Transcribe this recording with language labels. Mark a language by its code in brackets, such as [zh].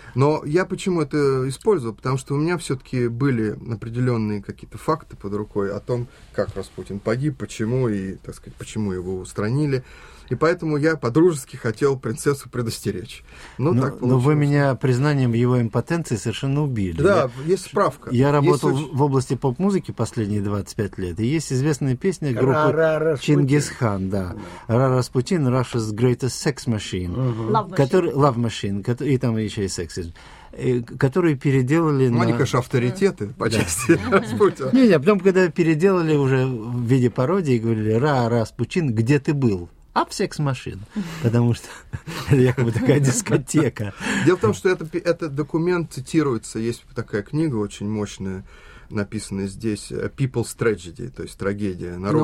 [ru] Но я почему это использовал? Потому что у меня все-таки были определенные какие-то факты под рукой о том, как Распутин погиб, почему и, так сказать, почему его устранили. И поэтому я по-дружески хотел принцессу предостеречь. Но так получилось. Но вы меня признанием его импотенции совершенно убили. Да, есть справка. Я работал в области поп-музыки последние 25 лет, и есть известная песня группы Чингисхан, да. [en] «Ра Распутин, Russia's greatest sex machine». Love machine. [ru] И там еще и секс. Которые переделали... Ну, они, конечно, авторитеты по части Распутина. Не-не, а потом, когда переделали уже в виде пародии, говорили: «Ра Распутин, где ты был?» Ап секс-машин, потому что это якобы такая дискотека. Дело в том, что этот документ цитируется, есть такая книга очень мощная, написанная здесь, People's Tragedy, то есть трагедия народа.